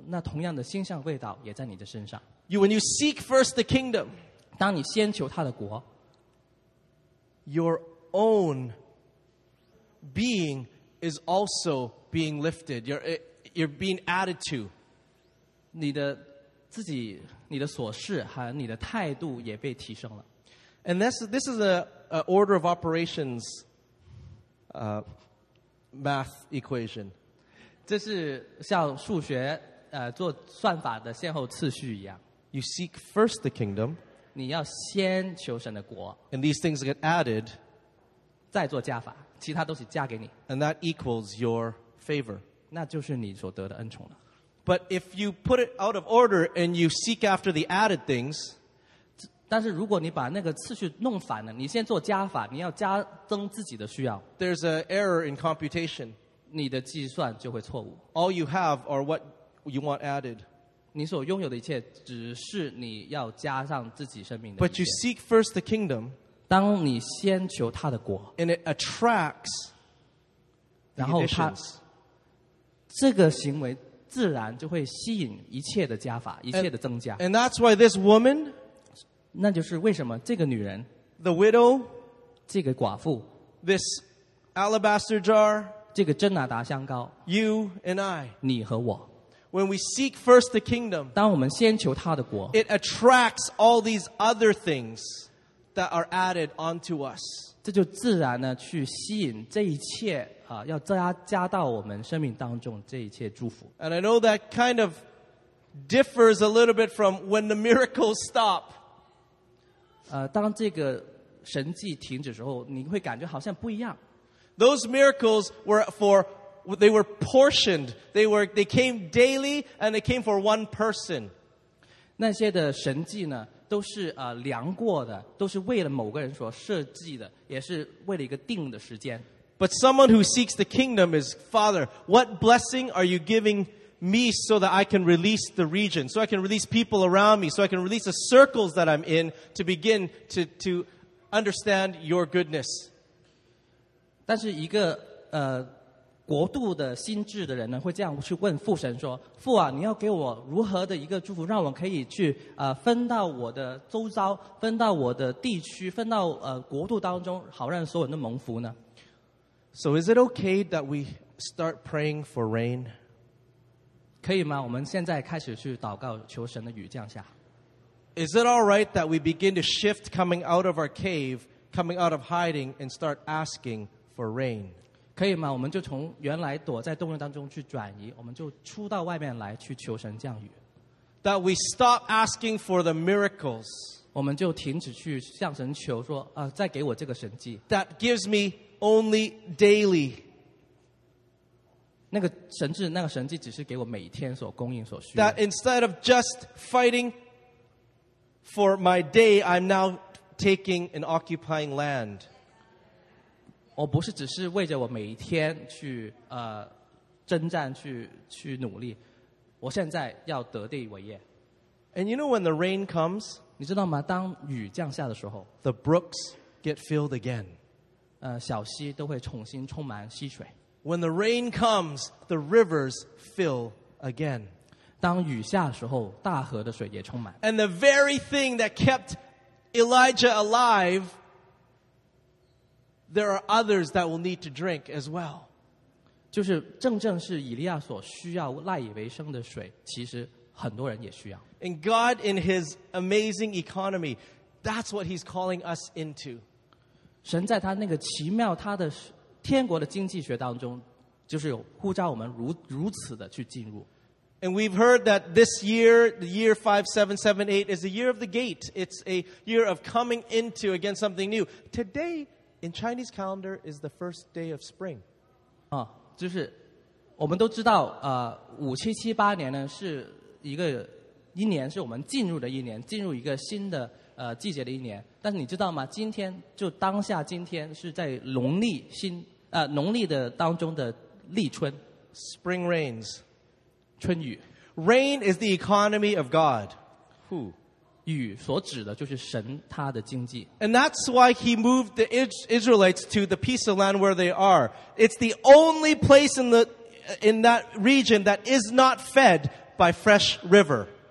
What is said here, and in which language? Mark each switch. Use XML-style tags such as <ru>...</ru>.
<zh>就是你的牺牲,你给别人的那个恩宠,当你这样做的时候,那同样的馨香味道也在你的身上。</zh> <en>When you seek first the kingdom,</en> <zh>当你先求他的国,</zh> <en>your own being is also being lifted. You're being added to.</en> <zh>你的自己,你的琐事和你的态度也被提升了。</zh> <en>And this is a order of operations math equation.</en> <zh>这是像数学做算法的先后次序一样。</zh> <en>You seek first the kingdom.</en> <zh>你要先求神的国,</zh> <en>and these things get added.</en> <zh>再做加法, 其他东西加给你,</zh> <en>and that equals your favor.</en> <zh>那就是你所得的恩宠了。</zh> <en>But if you put it out of order and you seek after the added things,</en> <zh>但是如果你把那个次序弄反了, 你先做加法, 你要加增自己的需要,</zh> <en>there's an error in computation.</en> <zh>你的计算就会错误。</zh> <en>All you have are what you want added.</en> <zh>你所拥有的一切只是你要加上自己生命的一切。</zh> <en>But you seek first the kingdom,</en> <zh>当你先求他的国,</zh> <en>and it attracts the additions.</en> <zh>这个行为自然就会吸引一切的加法, 一切的增加。</zh> <en>And that's why this woman,</en> <zh>那就是为什么这个女人,</zh> <en>the widow,</en> <zh>这个寡妇,</zh> <en>this alabaster jar,</en> <zh>这个真拿达香膏,</zh> <en>you and I,</en> <zh>你和我,</zh> <en>when we seek first the kingdom,</en> <zh>当我们先求他的国,</zh> <en>it attracts all these other things that are added onto us.</en> <zh>这就自然呢, 去吸引这一切, 要加到我们生命当中这一切祝福。</zh> <en>And I know that kind of differs a little bit from when the miracles stop.</en> <zh>当这个神迹停止之后, 你会感觉好像不一样。</zh> <en>Those miracles were for, they were portioned. They came daily and they came for one person.</en> <zh>那些的神迹呢, 都是, 量过的, 都是为了某个人所设计的, 也是为了一个定的时间。</zh> <en>But someone who seeks the kingdom is, Father, what blessing are you giving me so that I can release the region, so I can release people around me, so I can release the circles that I'm in to begin to understand your goodness?</en> <zh>但是一个, 国度的心智的人呢, 会这样去问父神说, 父啊, 你要给我如何的一个祝福, 让我可以去, 分到我的周遭, 分到我的地区, 分到, 国度当中, 好让所有人都蒙福呢?</zh> <en>So is it okay that we start praying for rain?</en> <zh>可以吗? 我们现在开始去祷告求神的雨降下。</zh> <en>Is it all right that we begin to shift coming out of our cave, coming out of hiding, and start asking for rain?</en> <zh>可以吗? 我们就从原来躲在洞穴当中去转移, 我们就出到外面来去求神降雨。</zh> <en>That we stop asking for the miracles.</en> <zh>我们就停止去向神求说, 再给我这个神迹。</zh> <en>That gives me only daily.</en> <zh>那个神迹, 那个神迹只是给我每天所供应所需。</zh> <en>That instead of just fighting for my day, I'm now taking and occupying land.</en> <zh>我不是只是为着我每一天去, 征战去努力。我现在要得地为业。</zh> <en>And you know when the rain comes,</en> <zh>你知道吗？当雨降下的时候</zh> <en>，the brooks get filled again.</en> <zh>小溪都会重新充满溪水。</zh> <en>When the rain comes, the rivers fill again.</en> <zh>当雨下的时候，大河的水也充满。</zh> <en>And the very thing that kept Elijah alive, there are others that will need to drink as well.</en> <zh>就是正正是以利亚所需要赖以为生的水，其实很多人也需要。</zh> <en>And God, in His amazing economy, that's what He's calling us into.</en> <zh>神在他那个奇妙他的天国的经济学当中，就是有呼召我们如此的去进入。</zh> <en>And we've heard that this year, the year 5778, is the year of the gate. It's a year of coming into again something new. Today, in Chinese calendar, is the first day of spring.</en> <zh>就是我们都知道，5778年呢是一个一年，是我们进入的一年，进入一个新的季节的一年。但是你知道吗？今天就当下，今天是在农历的当中的立春</zh> <en>，Spring rains。</en> <zh>春雨</zh> <en>，rain is the economy of God. Who?</en> <zh>雨所指的就是神他的经济。</zh> <en>And that's why he moved the Israelites to the piece of land where they are. It's the only place in that region that is not fed by fresh river.</en>